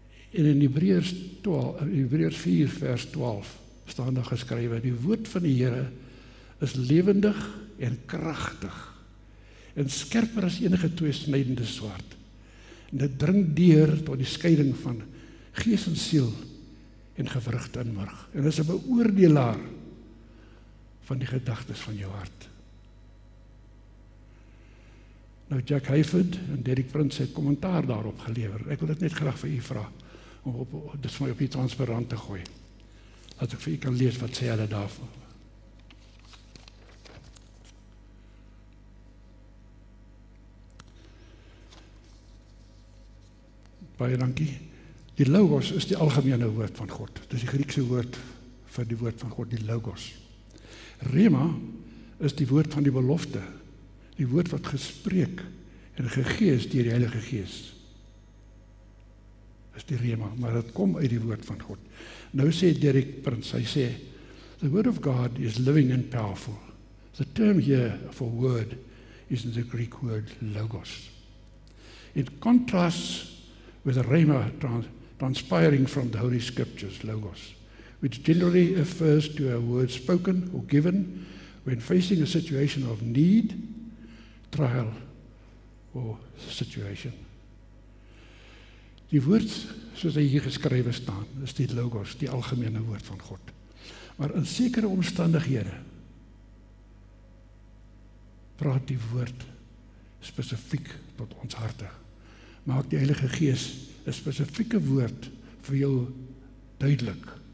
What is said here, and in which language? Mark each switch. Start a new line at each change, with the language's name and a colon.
Afrikaans: En in Hebreërs 4 vers 12 staan daar geskrywe, die woord van die Here is lewendig en kragtig en skerper as enige tweesnydende swaard. En dit dring deur tot die skeiding van gees en siel en gewrigte en marg. En is 'n beoordelaar van die gedagtes van jou hart. Nou Jack Hayford en Derek Prince het kommentaar daarop gelever. Ek wil dit net graag vir u vra, om dit vir my op die transparant te gooi, dat ek vir u kan lees wat sê hulle daarvan. Baie dankie. Die logos is die algemene woord van God. Dit is die Griekse woord vir die woord van God, die logos. Rema is die woord van die belofte, die woord wat gespreek en gegee is deur die Heilige Gees. Is die rema, maar dit kom uit die woord van God.
English: Nou sê Derek Prince, hy sê, the word of God is living and powerful. The term here for word is in the Greek word logos. It contrasts with a rema transpiring from the Holy Scriptures, logos, which generally refers to a word spoken or given when facing a situation of need, trial, or situation.
Afrikaans: Die woord, soos hy hier geskrywe staan, is die logos, die algemene woord van God. Maar in sekere omstandighede praat die woord spesifiek tot ons harte. Maak die Heilige Gees 'n spesifieke woord vir jou duidelik.